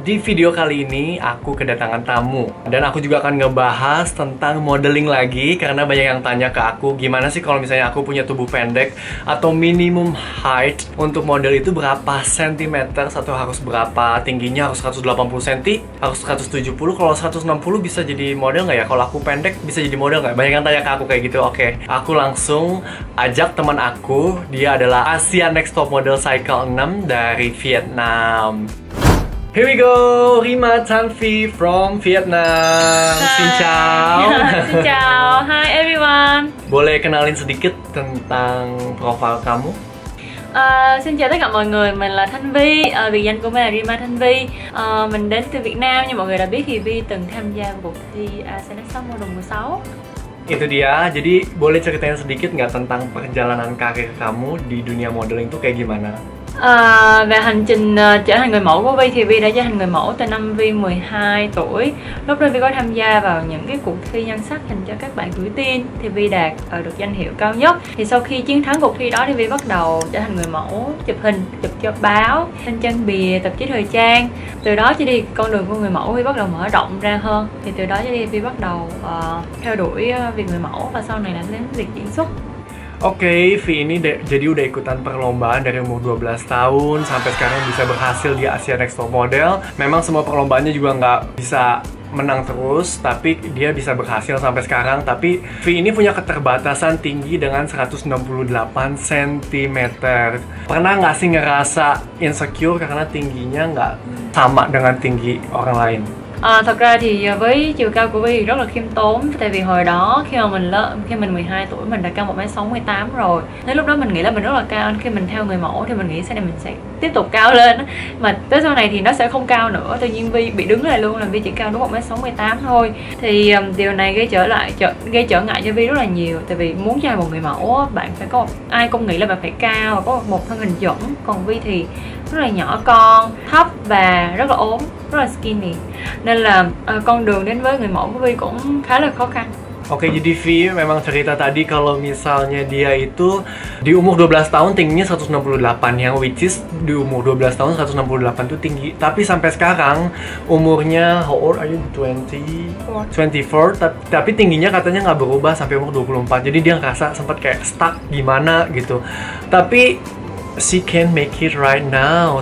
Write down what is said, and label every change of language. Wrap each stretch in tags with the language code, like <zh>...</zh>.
<id>Di video kali ini aku kedatangan tamu dan aku juga akan ngebahas tentang modeling lagi karena banyak yang tanya ke aku, "Gimana sih kalau misalnya aku punya tubuh pendek atau</id> <en>minimum height</en> <id>untuk model itu berapa sentimeter atau harus berapa tingginya? Harus 180 cm? Harus 170? Kalau 160 bisa jadi model nggak ya? Kalau aku pendek bisa jadi model nggak?" Banyak yang tanya ke aku kayak gitu. Oke, aku langsung ajak teman aku. Dia adalah Asia Next Top Model Cycle 6 dari Vietnam.</id> <en>Here we go, Rima Tan Phi from Vietnam. Hi.</en> <vi>Xin chào. Xin chào,</vi> <en>hi everyone.</en> <id>Boleh kenalin sedikit tentang profil kamu?</id> <vi>Xin chào tất cả mọi người, mình là Thanh Vy, biệt danh của mình là Rima Thanh Vy. Mình đến từ Việt Nam, như mọi người đã biết thì Vy từng tham gia cuộc thi Asia Next Top Model 16.</vi> <id>Itu dia, jadi boleh ceritain sedikit nggak tentang perjalanan karir kamu di dunia modeling tuh kayak gimana?</id> <vi>Về hành trình trở thành người mẫu của Vy thì Vy đã trở thành người mẫu từ năm Vy 12 tuổi. Lúc đó Vy có tham gia vào những cái cuộc thi nhan sắc dành cho các bạn tuổi teen thì Vy đạt được danh hiệu cao nhất. Thì sau khi chiến thắng cuộc thi đó thì Vy bắt đầu trở thành người mẫu chụp hình, chụp cho báo, lên trang bìa, tạp chí thời trang. Từ đó cho đi con đường của người mẫu Vy bắt đầu mở rộng ra hơn. Thì từ đó cho đi Vy bắt đầu theo đuổi việc người mẫu và sau này là đến việc diễn xuất.</vi> <id>Oke, Vy ini jadi udah ikutan perlombaan dari umur 12 tahun sampai sekarang bisa berhasil di Asia Next Top Model. Memang semua perlombaannya juga nggak bisa menang terus, tapi dia bisa berhasil sampai sekarang. Tapi Vy ini punya keterbatasan tinggi dengan 168 cm. Pernah nggak sih ngerasa insecure karena tingginya nggak sama dengan tinggi orang lain?</id> <vi>Thật ra thì với chiều cao của Vy thì rất là khiêm tốn. Tại vì hồi đó khi mình 12 tuổi mình đã cao 1m68 rồi. Thế lúc đó mình nghĩ là mình rất là cao. Khi mình theo người mẫu thì mình nghĩ sau này mình sẽ tiếp tục cao lên. Mà tới sau này thì nó sẽ không cao nữa. Tự nhiên Vy bị đứng lại luôn là Vy chỉ cao đúng 1m68 thôi. Thì điều này gây trở ngại cho Vy rất là nhiều. Tại vì muốn trở thành một người mẫu, bạn phải có ai cũng nghĩ là bạn phải cao và có một thân hình chuẩn. Còn Vy thì rất là nhỏ con, thấp và rất là ốm, rất là skinny. Nên là con đường đến với người mẫu của Vy cũng khá là khó khăn.</vi> <id>Oke, jadi Vy memang cerita tadi kalau misalnya dia itu di umur 12 tahun tingginya 168, yang</id> <en>which is</en> <id>di umur 12 tahun 168 itu tinggi. Tapi sampai sekarang umurnya,</id> <en>how old are you?</en> <id>24. Tapi tingginya katanya nggak berubah sampai umur 24. Jadi dia ngerasa sempat kayak stuck gimana gitu.</id> <en>Tapi she can make it right now.</en>